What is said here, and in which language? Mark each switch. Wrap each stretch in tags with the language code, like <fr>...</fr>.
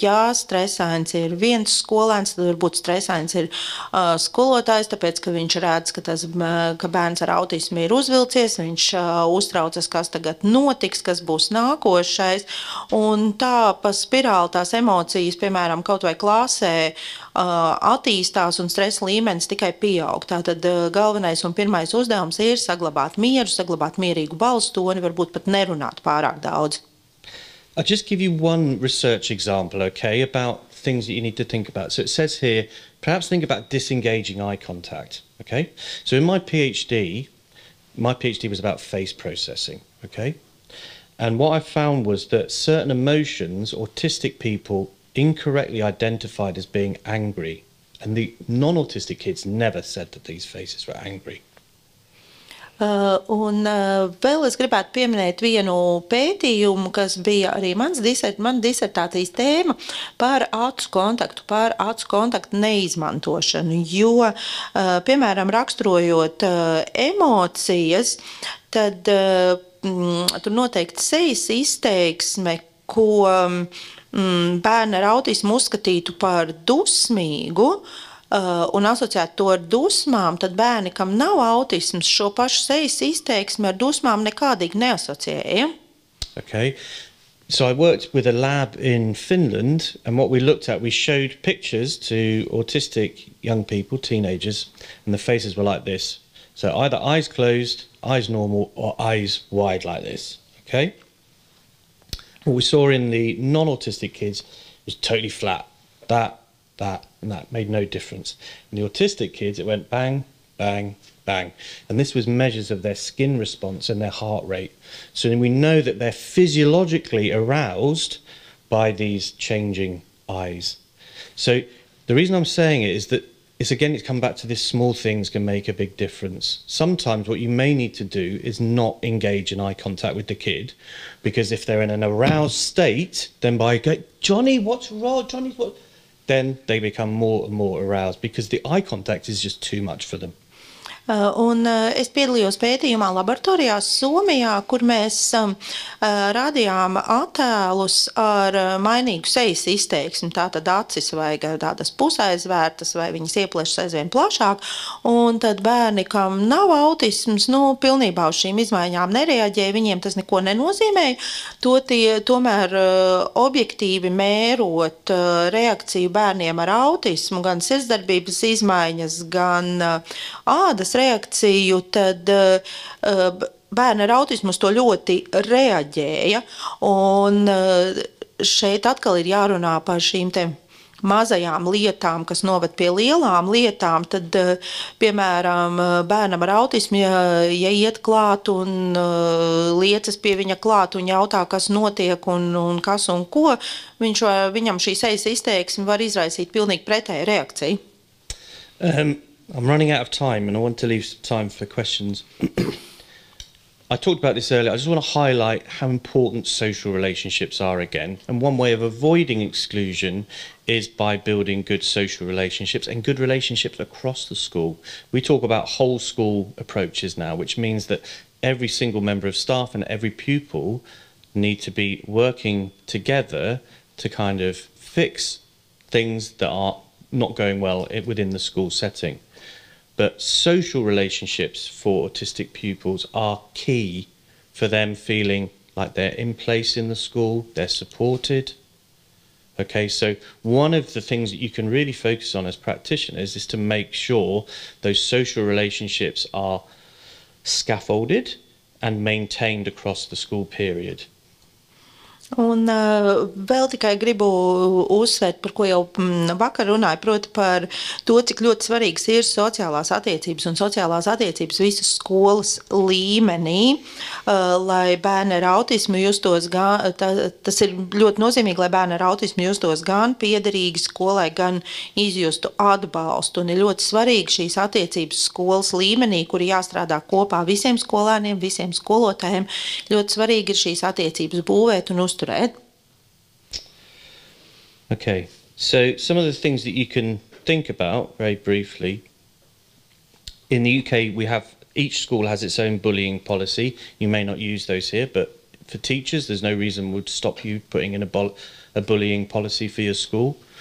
<lv>Ja stresains ir viens skolēns, tad varbūt stresains ir skolotājs, tāpēc, ka viņš redz, ka bērns ar autismu ir uzvilcies, viņš uztraucas, kas tagad notiks, kas būs nākošais. Un tā pa spirāli tās emocijas, piemēram, kaut vai klasē, attīstās un stresa līmenis tikai pieaug. Tātad galvenais un pirmais uzdevums ir saglabāt mieru, saglabāt mierīgu balstoni, varbūt pat nerunāt pārāk daudz.</lv> <en>I'll just give you one research example, okay, about things that you need to think about. So it says here, perhaps think about disengaging eye contact, okay? So in my PhD was about face processing, okay? And what I found was that certain emotions, autistic people incorrectly identified as being angry. And the non-autistic kids never said that these faces were angry.</en> <lv>Un vēl es gribētu pieminēt vienu pētījumu, kas bija arī mans disertācijas tēma par acu kontaktu, par acu kontaktu neizmantošanu, jo, piemēram, raksturojot emocijas, tad tur noteikti sejas izteiksme, ko bērni ar autismu uzskatītu par dusmīgu, un asociēt to ar dusmām, tad bērni, kam nav autisms, šo pašu sejas izteiksmi ar dusmām nekādīgi neasociēja.</lv> <en>Okay. So I worked with a lab in Finland, and what we looked at, we showed pictures to autistic young people, teenagers, and the faces were like this. So either eyes closed, eyes normal, or eyes wide like this. Okay? What we saw in the non-autistic kids was totally flat. That and that made no difference. In the autistic kids, it went bang, bang, bang. And this was measures of their skin response and their heart rate. So then we know that they're physiologically aroused by these changing eyes. So the reason I'm saying it is that it's again, it's come back to this small things can make a big difference. Sometimes what you may need to do is not engage in eye contact with the kid, because if they're in an aroused state, then by going, Johnny, what's wrong? Johnny, what? Then they become more and more aroused because the eye contact is just too much for them.</en> <lv>Un es piedalījos pētījumā laboratorijā Somijā, kur mēs radījām attēlus ar mainīgu sejas izteiksmi, tātad acis vai tādas pusaizvērtas, vai viņas ieplešas aizvien plašāk, un tad bērni, kam nav autisms, nu, pilnībā uz šīm izmaiņām nereaģēja, viņiem tas neko nenozīmēja, tomēr objektīvi mērot reakciju bērniem ar autismu, gan sirdsdarbības izmaiņas, gan ādas reakciju, tad bērni ar autismu uz to ļoti reaģēja, un šeit atkal ir jārunā par šīm te mazajām lietām, kas noved pie lielām lietām, tad piemēram bērnam ar autismu, ja iet klāt un liecas pie viņa klāt un jautā, kas notiek un kas un ko, viņam šī sejas izteiksme var izraisīt pilnīgi pretēju reakciju.</lv> <en>I'm running out of time and I want to leave some time for questions. I talked about this earlier. I just want to highlight how important social relationships are again. And one way of avoiding exclusion is by building good social relationships and good relationships across the school. We talk about whole school approaches now, which means that every single member of staff and every pupil need to be working together to kind of fix things that are not going well within the school setting. But social relationships for autistic pupils are key for them feeling like they're in place in the school, they're supported. Okay, so one of the things that you can really focus on as practitioners is to make sure those social relationships are scaffolded and maintained across the school period.</en> <lv>Un vēl tikai gribu uzsvērt, par ko jau vakar runāju, proti par to, cik ļoti svarīgs ir sociālās attiecības un sociālās attiecības visas skolas līmenī, lai bērni ar autismu justos gan, tas ir ļoti nozīmīgi, lai bērni ar autismu justos gan piederīgi skolai, gan izjustu atbalstu, un ir ļoti svarīgi šīs attiecības skolas līmenī, kuri jāstrādā kopā visiem skolēniem, visiem skolotājiem, ļoti svarīgi ir šīs attiecības būvēt un uzturēt.</lv> <en>Okay, so some of the things that you can think about very briefly. In the UK, we have, each school has its own bullying policy. You may not use those here, but for teachers, there's no reason would stop you putting in a bullying policy for your school.</en>